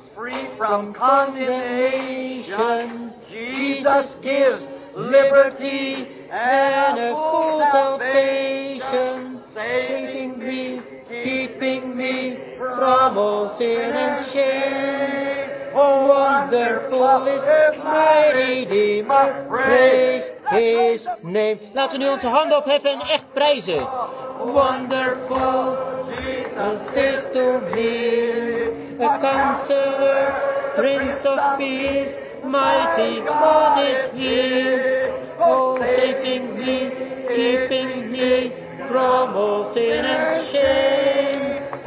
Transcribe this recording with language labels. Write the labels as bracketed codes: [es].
[en] Free from condemnation. Jesus gives liberty and a full salvation. Saving me, keeping me from all sin and shame. Oh, wonderful is my Redeemer, praise his name. [nl] Laten we nu onze handen opheffen en echt prijzen. [en] Wonderful, Jesus is to me, a counselor, prince of peace, mighty God is here. Oh, saving me, keeping me from all sin and shame.